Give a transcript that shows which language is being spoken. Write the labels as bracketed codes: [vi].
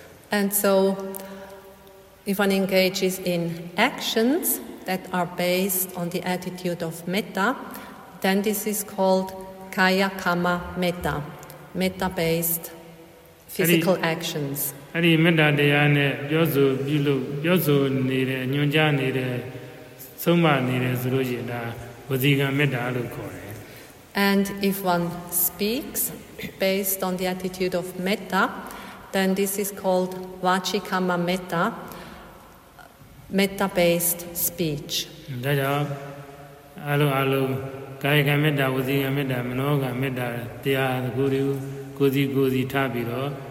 [en] And so, if one engages in actions that are based on the attitude of metta, then this is called kaya kama metta, metta based physical actions. [my] အဲ့ဒီမေတ္တာတရားနဲ့ပြောဆိုပြုလို့ပြောဆိုနေတယ်ညွှန်ကြားနေတယ်ဆုံးမနေတယ်ဆိုလို့ရှိရင်ဒါဝစီကံမေတ္တာလို့ခေါ်တယ် [en] And if one speaks based on the attitude of metta then this is called vachikamma metta metta based speech [my] ဒါကြောင့်အလုံးကာယကံမေတ္တာဝစီကံမေတ္တာမနောကံမေတ္တာတရားတကူတွေကိုစီထားပြီးတော့